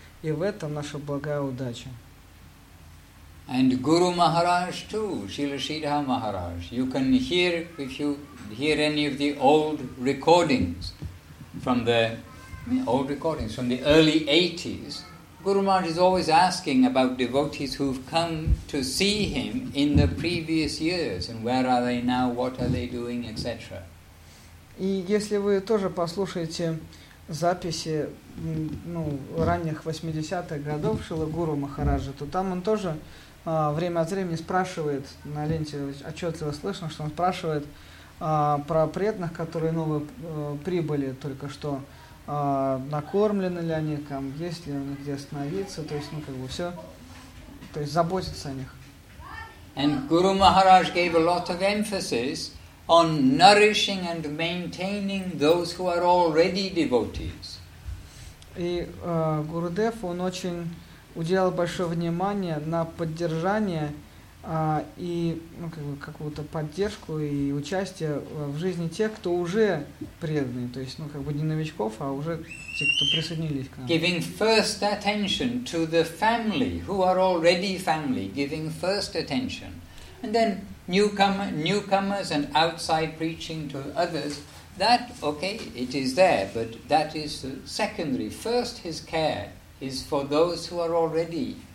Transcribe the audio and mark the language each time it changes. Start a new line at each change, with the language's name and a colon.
Russian: И в этом наша благая удача.
English: And Guru Maharaj too, Srila Sridhar Maharaj. You can hear, if you hear any of the old recordings from the old recordings from the early 80s, Guru Maharaj is always asking about devotees who've come to see him in the previous years, and where are they now, what are they doing, etc.
Russian: И если вы тоже послушаете записи ранних 80-х годов Шрила Гуру Махараджа, то там он тоже время от времени спрашивает, на ленте отчетливо слышно, что он спрашивает про преданных, которые новые прибыли только что, накормлены ли они, там, есть ли у них где остановиться, то есть, ну, как бы, все, то есть, заботится о них.
English: And Guru Maharaj gave a lot of emphasis on nourishing and maintaining those who are already devotees.
Russian: И Гурудев, он очень уделял большое внимание на поддержание и ну, как бы, какую-то поддержку и участие в жизни тех, кто уже преданный, то есть, ну, как бы не новичков, а уже те, кто присоединились к нам.
English: Giving first attention to the family, who are already family, giving first attention. And then newcomers and outside preaching to others, that, okay, it is there, but that is secondary. First his care is for those who are already